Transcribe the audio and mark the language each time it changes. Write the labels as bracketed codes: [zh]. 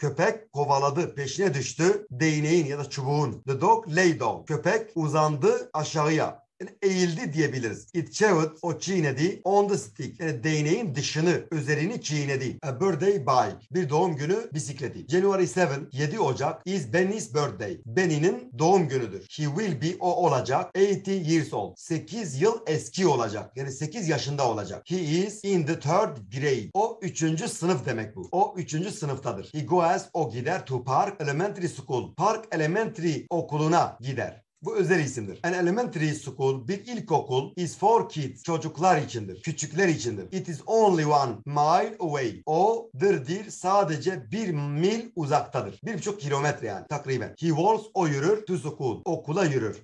[tr] Köpek kovaladı, peşine düştü değneğin ya da çubuğun. [en] The dog lay down. [tr] Köpek uzandı aşağıya. Yani eğildi diyebiliriz. [en] It chewed, [tr] o çiğnedi. [en] On the stick, [tr] yani değneğin dışını, üzerini çiğnedi. [en] A birthday bike, [tr] bir doğum günü bisikleti. [en] January 7, 7 Ocak is Benny's birthday. [tr] Benny'nin doğum günüdür. [en] He will be, [tr] o olacak. [en] 80 years old, [tr] 8 yıl eski olacak. Yani 8 yaşında olacak. [en] He is in the third grade. [tr] O 3. sınıf demek bu. O 3. sınıftadır. [en] He goes, [tr] o gider [en] to Park Elementary School. [tr] Park Elementary okuluna gider. Bu özel isimdir. [en] An elementary school, [tr] bir ilkokul, [en] is for kids, [tr] çocuklar içindir, küçükler içindir. [en] It is only 1 mile away. [tr] O'dır sadece 1 mil uzaktadır. 1.5 kilometre yani, takriben. [en] He walks, [tr] o yürür, [en] to school, [tr] okula yürür.